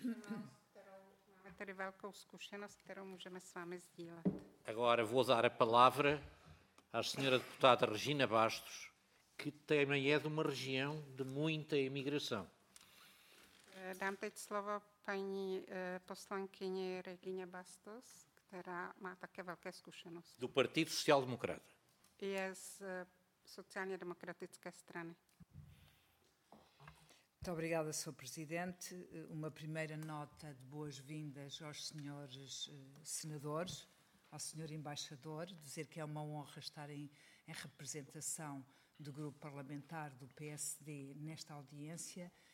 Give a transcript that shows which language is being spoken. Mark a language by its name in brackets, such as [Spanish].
[Czech] Máme tedy velkou zkušenost, kterou můžeme s vámi sdílet. [Portuguese] Agora vou dar a palavra à senhora deputada Regina Bastos, que também é de uma região de muita imigração. [Czech] Dám teď slovo paní poslankyni Regině Bastos, která má také velké zkušenosti. [Portuguese] Do Partido Social Democrata. [Czech] Je z sociálně demokratické strany. [Portuguese] Muito obrigada, Sr. Presidente. Uma primeira nota de boas-vindas aos senhores senadores, ao senhor embaixador, dizer que é uma honra estarem em representação do grupo parlamentar do PSD nesta audiência.